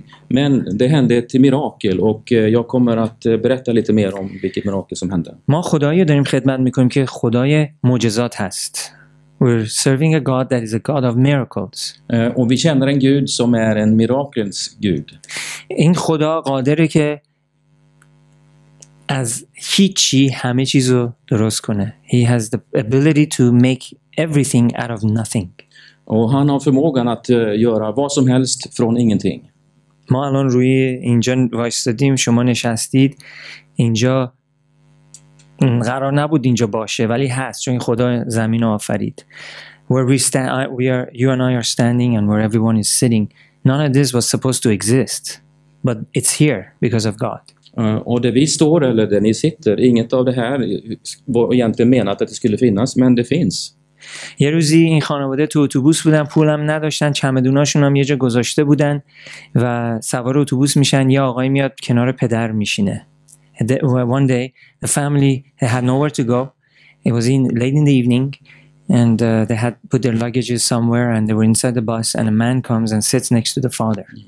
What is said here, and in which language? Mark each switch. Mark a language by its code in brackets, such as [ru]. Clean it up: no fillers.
[sv] Men det hände ett mirakel och jag kommer att berätta lite mer om vilket mirakel som hände. [fa] ما خدایی داریم خدمت میکنیم که خدای معجزات هست. [en] We're serving a God that is a God of miracles. [sv] Och vi känner en Gud som är en mirakels Gud. [fa] این خدا قادره که از هیچی همه چیزو درست کنه. [en] He has the ability to make everything out of nothing. [sv] Och han har förmågan att göra vad som helst från ingenting. [fa] ما الان روی اینجا وایستادیم، شما نشستید. اینجا قرار نبود اینجا باشه، ولی هست چون خدا زمین رو آفرید. [en] Where you and I are standing and where everyone is sitting. None of this was supposed to exist, but it's here because of God. [sv] Och där vi står eller där ni sitter, inget av det här var egentligen menat att det skulle finnas, men det finns. [fa] یه روزی این خانواده تو اتوبوس بودن، پولم نداشتن، چمدوناشون هم یه جا گذاشته بودن و سوار اتوبوس میشن، یه آقای میاد کنار پدر میشینه. [en] One day the family had nowhere to go. It was in late in the evening and they had put their luggages somewhere and they were inside the bus and a man comes and sits next to the father.